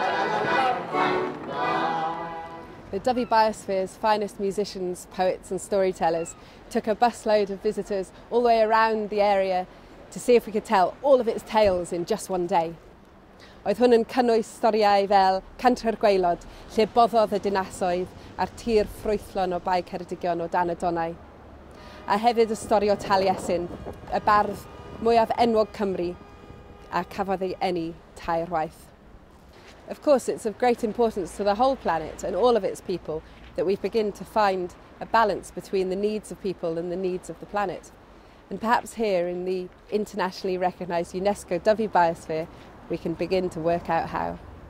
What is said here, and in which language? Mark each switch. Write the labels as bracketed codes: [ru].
[en] The Dyfi Biosphere's finest musicians, poets and storytellers took a busload of visitors all the way around the area to see if we could tell all of its tales in just one day. [cy] Oedd hwn yn cynnwys storiau fel Cantre'r Gwaelod, lle boddodd y dinasoedd a'r tir ffrwythlon o Bae Ceredigion o dan y Donau. A hefyd y stori o Taliesin, y bardd mwyaf enwog Cymru, a cafodd ei eni tair waith. [en] Of course, it's of great importance to the whole planet and all of its people that we begin to find a balance between the needs of people and the needs of the planet. And perhaps here in the internationally recognised UNESCO Dyfi Biosphere, we can begin to work out how.